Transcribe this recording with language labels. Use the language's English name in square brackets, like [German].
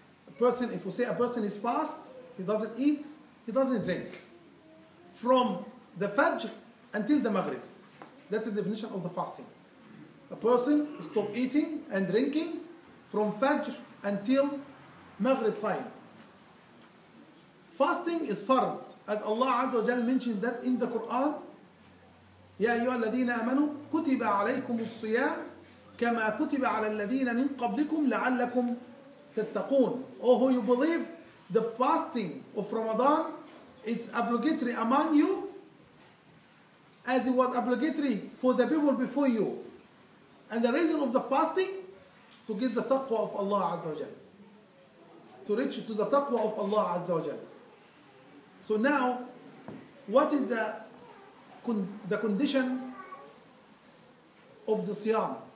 [English] person, if we say a person is fast, he doesn't eat, he doesn't drink. From the Fajr until the Maghrib. That's the definition of the fasting. A person stop eating and drinking from Fajr until Maghrib time. Fasting is fard. As Allah Azza wa Jalla mentioned that in the Quran, [Arabic] يَا أَيُّهَا الَّذِينَ آمَنُوا كُتِبَ عَلَيْكُمُ الصِّيَامُ كَمَا كُتِبَ عَلَى الَّذِينَ مِنْ قَبْلِكُمْ لَعَلَّكُمْ تَتَّقُونَ. [English] Oh, who you believe, the fasting of Ramadan, it's obligatory among you as it was obligatory for the people before you. And the reason of the fasting, to get the taqwa of Allah Azza wa Jal. To reach to the taqwa of Allah Azza wa Jal. So now, what is the condition of the siyam?